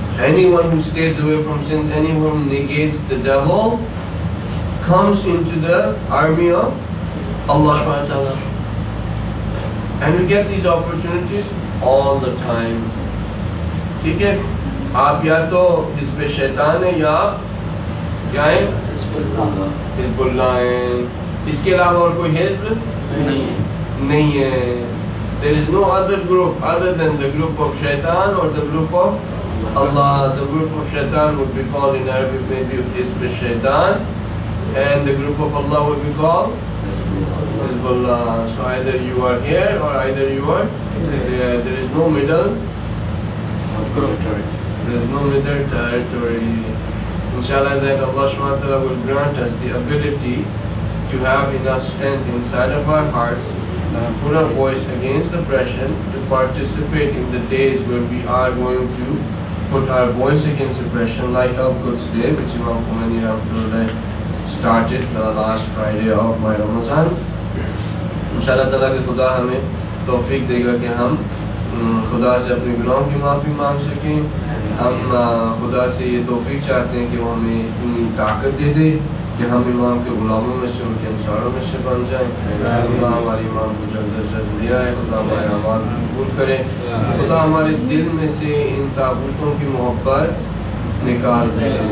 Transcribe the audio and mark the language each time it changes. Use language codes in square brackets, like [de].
[en] Anyone who stays away from sins, anyone who negates the devil, comes into the army of Allah Ta'ala. And we get these opportunities all the time. [ur] ٹھیک ہے، آپ یا تو اس پہ شیطان ہیں یا آپ کیا ہیں؟ حزب اللہ ہیں. اس کے علاوہ اور کوئی حزب نہیں ہے. [en] There is no other group other than the group of شیطان or the group of Allah. The group of شیطان would be called in Arabic maybe حزب الشیطان, and the group of Allah would be called حزب اللہ. So either you are here or either you are there. There is no middle. There is no middle territory. Inshallah that Allah subhanahu wa ta'ala will grant us the ability to have enough strength inside of our hearts and put our voice against oppression to participate in the days where we are going to put our voice against oppression, like our Quds Day, which Imam Khomeini Rahmatullah started the last Friday of my Ramadan. [ur] Inshallah ta'ala ke khuda hame taufeeq dega ke hum خدا سے اپنے گناہوں کی معافی مانگ سکیں. ہم خدا سے یہ توفیق چاہتے ہیں کہ وہ ہمیں اتنی طاقت دے دے کہ ہم امام کے غلاموں میں سے ان کے انصاروں میں سے بن جائیں. اللہ ہماری امام کو جلد از جلد لے آئے. خدا ہمارے اعمال قبول کرے. خدا ہمارے دل میں سے ان تابوتوں کی محبت نکال دے.